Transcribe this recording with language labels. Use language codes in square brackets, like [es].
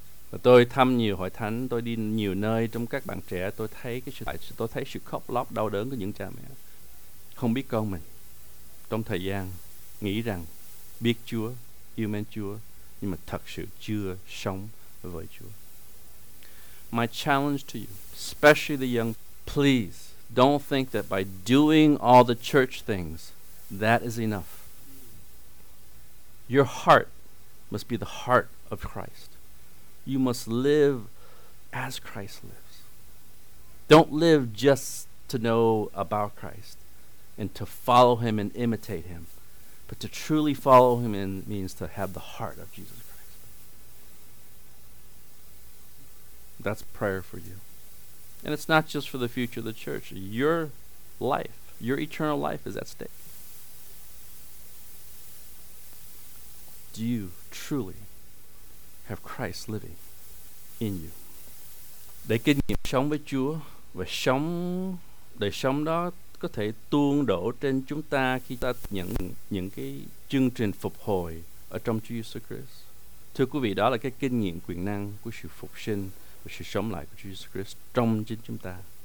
[vi] Và tôi thăm nhiều hội thánh, tôi đi nhiều nơi trong các bạn trẻ, tôi thấy sự khóc lóc đau đớn của những cha mẹ không biết con mình trong thời gian nghĩ rằng biết Chúa, yêu mến Chúa, nhưng mà thật sự chưa sống với Chúa. [en] My challenge to you, especially the young, please don't think that by doing all the church things that is enough. Your heart must be the heart of Christ. You must live as Christ lives. Don't live just to know about Christ and to follow him and imitate him, but to truly follow him in means to have the heart of Jesus Christ. That's prayer for you. And it's not just for the future of the church. Your life, your eternal life is at stake. Do you truly have Christ living in you? [vi] Để kinh nghiệm sống với Chúa và sống đời sống đó có thể tuôn đổ trên chúng ta khi ta nhận những cái chương trình phục hồi ở trong Chúa Jesus Christ. Thưa quý vị, đó là cái kinh nghiệm quyền năng của sự phục sinh và sự sống lại của Chúa Jesus Christ trong chính chúng ta.